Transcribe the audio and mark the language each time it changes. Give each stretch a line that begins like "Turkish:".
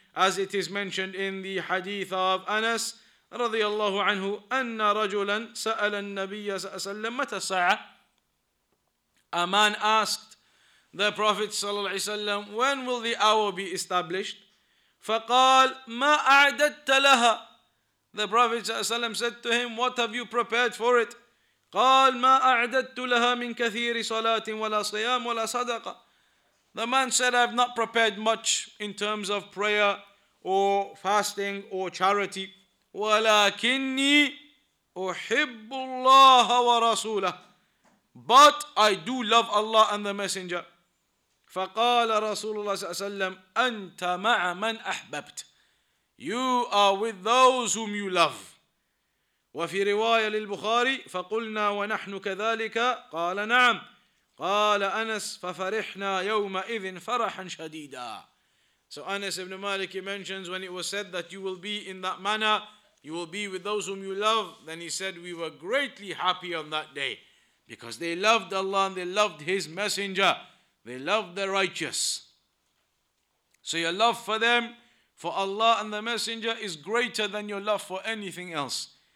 English: As it is mentioned in the hadith of Anas,
Arabic: رضي الله عنه, أَنَّ رَجُلًا سَأَلَ النَّبِيَّ صَلَّى اللَّهُ عَلَيْهِ مَتَ السَّاعَةَ.
English: A man asked the Prophet
Arabic: صلى الله عليه وسلم,
English: when will the hour be established?
Arabic: فقال ما أعددت لها.
English: The Prophet said to him, what have you prepared for it?
Arabic: قال ما أعددت لها من كثير صلاة ولا صيام ولا صدقة.
English: The man said, I've not prepared much in terms of prayer or fasting or charity.
Arabic: ولكني أحب الله ورسوله.
English: But I do love Allah and the Messenger.
Arabic: فقال رسول الله صلى الله عليه وسلم أنت مع من أحببت.
English: You are with those whom you love.
Arabic: وفي رواية للبخاري فقلنا ونحن كذلك قال نعم قال أنس ففرحنا يومئذ فرحا شديدا.
English: So Anas ibn Malik, he mentions when it was said that you will be in that manner, you will be with those whom you love, then he said we were greatly happy on that day because they loved Allah and they loved His Messenger. They love the righteous. So your love for them, for Allah and the Messenger, is greater than your love for anything else.